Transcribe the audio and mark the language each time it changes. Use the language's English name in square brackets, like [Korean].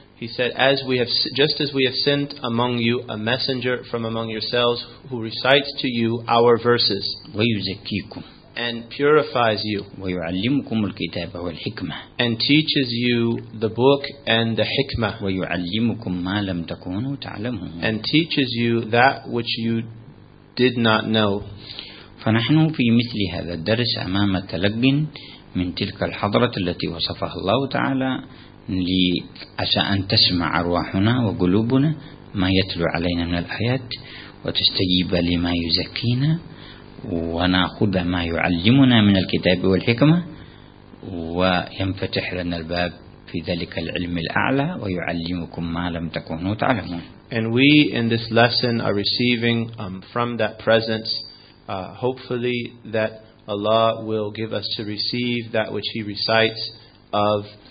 [English] He said, as we have sent among you a messenger from among yourselves who recites to you our verses. [Arabic] وَيُزَكِّيكُمْ. [English] And purifies you. [Arabic] وَيُعَلِّمُكُمْ الْكِتَابَ وَالْحِكْمَةَ. [English] And teaches you the book and the hikmah. [Arabic] وَيُعَلِّمُكُمْ مَا لَمْ تَكُونُوا تَعْلَمُونَ. [English] And teaches you that which you did not know. [Arabic] فنحن في مثل هذا الدرس أمام تلقب من تلك الحضرة التي وصفها الله تعالى لعسى أن تسمع أرواحنا وقلوبنا ما يتلو علينا من الآيات وتستجيب لما يزكينا ونأخذ ما يعلمنا من الكتاب والحكمة وينفتح لنا الباب في ذلك العلم الأعلى ويعلمكم ما لم تكونوا تعلمون. [English] And we in this lesson are receiving from that presence, hopefully that Allah will give us to receive that which he recites of